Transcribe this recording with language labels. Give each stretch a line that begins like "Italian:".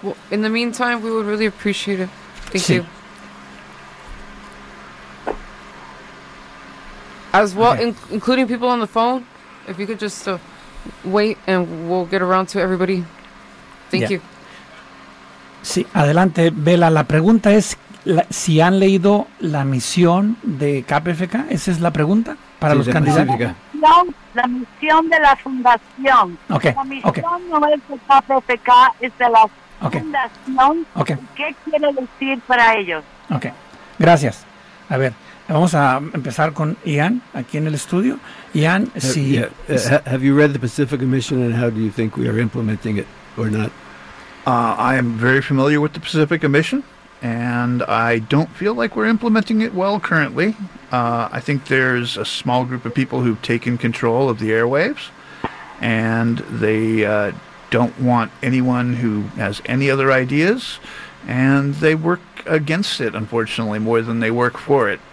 English: In the meantime, we would really appreciate it. Thank you. As well, okay. including people on the phone, if you could just wait and we'll get around to everybody. Thank you.
Spanish: Sí, adelante, Bella. La pregunta es... si han leído la misión de KPFK, esa es la pregunta para los candidatos. La misión de la fundación. Okay. La misión okay. no es de KPFK, es de la okay. fundación. Okay. ¿Qué quiere decir para ellos? Okay. Gracias. A ver, vamos a empezar con Ian aquí en el estudio. Ian,
English: Have you read the Pacifica mission and how do you think we are implementing it or not? I am very familiar with the Pacifica mission. And I don't feel like we're implementing it well currently. I think there's a small group of people who've taken control of the airwaves, and they don't want anyone who has any other ideas, and they work against it, unfortunately, more than they work for it.